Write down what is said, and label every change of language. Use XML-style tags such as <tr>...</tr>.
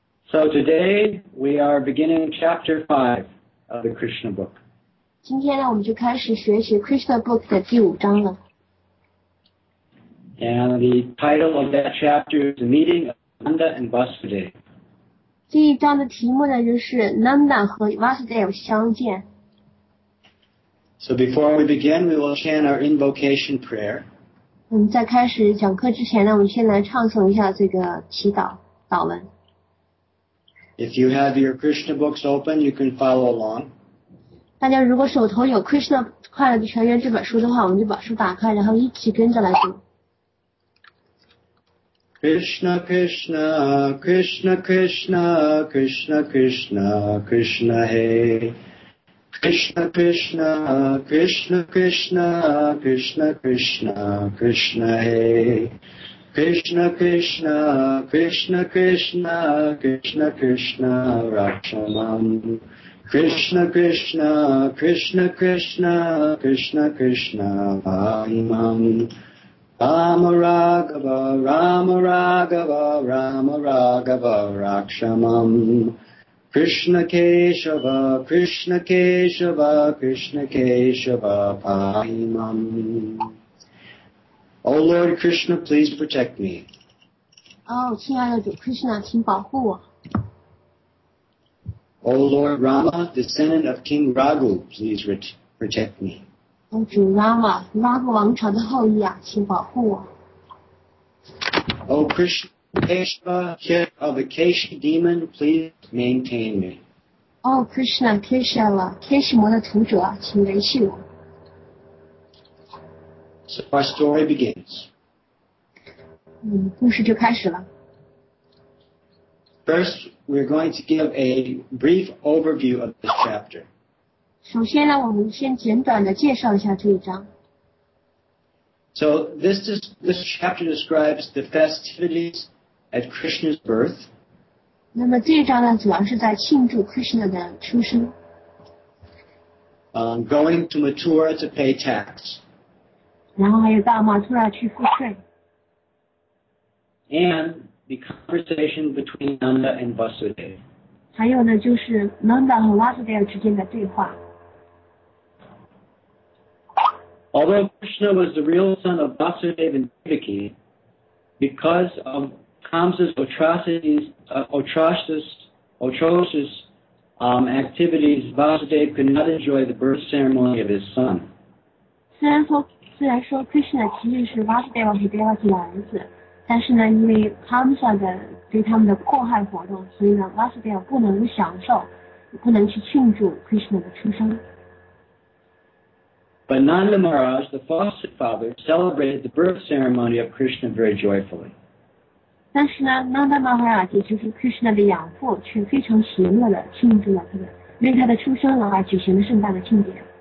<en>So today we are beginning chapter 5 of the Krishna book.</en> <zh>今天呢，我们就开始学习 Krishna Book 的第五章了。</zh> <en>And the title of that chapter is The Meeting of Nanda and Vasudeva.</en> <zh>第一章的题目呢，就是 Nanda 和 Vasudeva 相见。</zh> <en>So before we begin, we will chant our invocation prayer.</en> <zh>在开始讲课之前呢，我们先来唱诵一下这个祈祷祷文。</zh> <en>If you have your Krishna books open, you can follow along.</en> <zh>大家如果手头有 Krishna 快乐的泉源这本书的话，我们就把书打开，然后一起跟着来读。</zh> <sa>Krishna, Krishna, Krishna, Krishna, Krishna, Krishna, Krishna, hey. Krishna Krishna Krishna Krishna Krishna Krishna Krishna Krishna Krishna Krishna Krishna Krishna Krishna Krishna Krishna Krishna Krishna Krishna Krishna Krishna Krishna Rama Raghava Rama Raghava Rama Raghava Rakshamam Krishna Keshava, Krishna Keshava, Krishna Keshava, Pahimam.</sa> <en>O Lord Krishna, please protect me.</en> <zh>Oh, 亲爱的主 Krishna, 请保护我。</zh> <en>O Lord Rama, descendant of King Raghu, please protect me.</en> <zh>O 主 Rama, Raghu 王朝的后裔啊，请保护我。</zh> <en>O Krishna. Keshava, head of the Keshi demon, please maintain me.</en> <zh>Oh, Krishna, Keshava, Keshimo 的图者，请维系我。</zh> <en>So our story begins.</en> <zh>故事就开始了。</zh> <en>First, we're going to give a brief overview of this chapter.</en> <zh>首先呢，我们先简短的介绍一下这一章。</zh> <en>So this chapter describes the festivities. At Krishna's birth.</en> <zh>那么这一章呢，主要是在庆祝 Krishna 的出生。</zh> <en>Going to Mathura to pay tax.</en> <zh>然后还有到 Mathura 去付税。</zh> <en>And the conversation between Nanda and Vasudeva.</en> <zh>还有呢，就是 Nanda 和 Vasudeva 之间的对话。</zh> <en>Although Krishna was the real son of Vasudeva and Devaki, because of Kamsa's atrocious activities, Vasudeva could not enjoy the birth ceremony of his son.</en> <zh>虽然说 Krishna 其实是 Vasudeva 和 Devaki 的儿子，但是呢，因为 Kamsa 的对他们的迫害活动，所以呢 ，Vasudeva 不能享受，不能去庆祝 Krishna 的出生。</zh> <en>But Nanda Maharaj, the foster father, celebrated the birth ceremony of Krishna very joyfully.</en> <zh>但是呢 ，Nanda Maharaj 就是 Krishna 的养父，却非常喜乐的庆祝了他的出生，然后举行了盛大的庆典。</zh>